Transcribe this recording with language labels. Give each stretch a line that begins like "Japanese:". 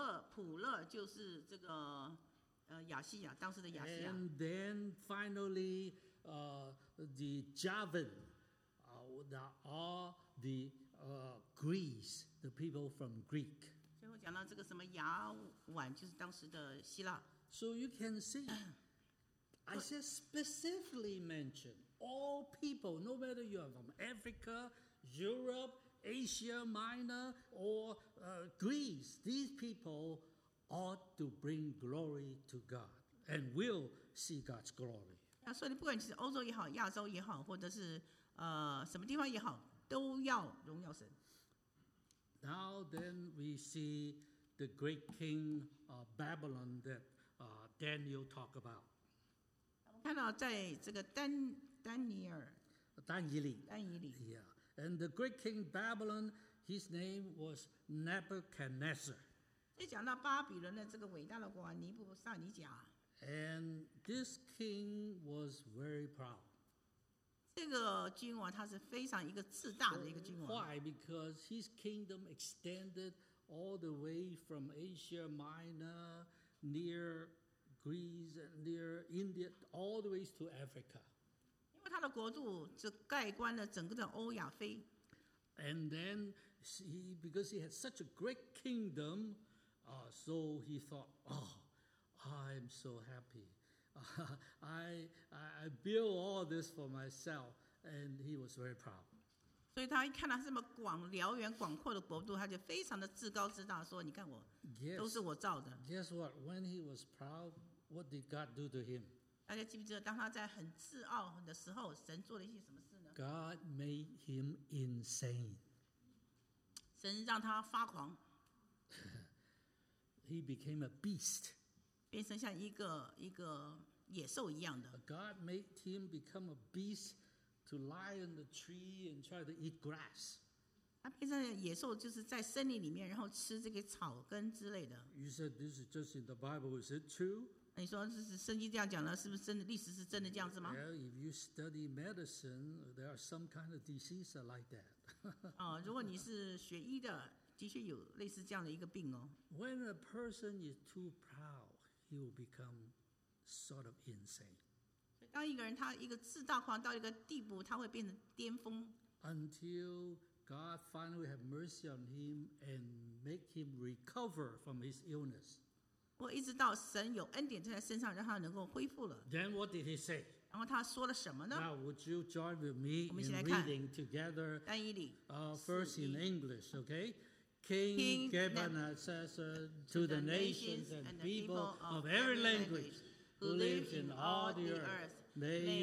Chinese: 普勒就是这个亚细亚，当时的亚细亚。
English: And then finally, the Javan, that are the Greece, the people from Greek.
Chinese: 讲到这个什么雅碗，就是当时的希腊。
English: So you can see, I said specifically mention all people, no matter you are from Africa, Europe, Asia Minor, or Greece. These people ought to bring glory to God and will see God's glory.
Chinese: 所以不管你是欧洲也好，亚洲也好，或者是什么地方也好，都要荣耀神。
English: Now then we see the great king of Babylon that Daniel talked about.
Chinese: 看到在这个丹尼尔。
English: Yeah. And the great king Babylon, his name was Nebuchadnezzar.
Chinese: 这讲到巴比伦的这个伟大的国王尼布撒尼甲。
English: And this king was very proud.
Chinese: 这个君王他是非常一个自大的一个君王。
English: Why? Because his kingdom extended all the way from Asia Minor near Greece and near India all the way to Africa.
Chinese: 因为他的国度就盖棺了整个的欧亚非。
English: And then he, because he had such a great kingdom, so he thought, oh, I'm so happy. I build all this for myself, and he was very proud.
Chinese: 所以他一看到这么广辽远广阔的国度，他就非常的自高自大，说：“你看我，
English: yes,
Chinese: 都是我造的。”
English: Guess what? When he was proud, what did God do to him?
Chinese: 大家记不记得，当他在很自傲的时候，神做了一些什么事呢？
English: God made him insane.
Chinese: 神让他发狂。
English: He became a beast.
Chinese: 变成像一个野兽一样的。
English: God made him become a beast to lie in the tree and try to eat grass.
Chinese: 他变成野兽，就是在森林里面，然后吃这个草根之类的。
English: You said this is just in the Bible. Is it true?
Chinese: 你说这是圣经这样讲的，是不是真的？历史是真的这样子吗？
English: Well, if you study medicine, there are some kind of disease like that.
Chinese: 如果你是学医的，的确有类似这样的一个病哦。
English: When a person is too proud, he will become sort of insane.
Chinese: 当一个人他一个自大狂到一个地步，他会变成巅峰。
English: Until God finally have mercy on him and make him recover from his illness.
Chinese: 我一直到神有恩典在他身上，让他能够恢复了。
English: Then what did he say?
Chinese: 然后他说了什么呢？
English: Now would you join with me in reading together?
Chinese: 单一里。
English: First in English, okay? King Gabana says to the nations and people of every language. Who lives in all the earth? May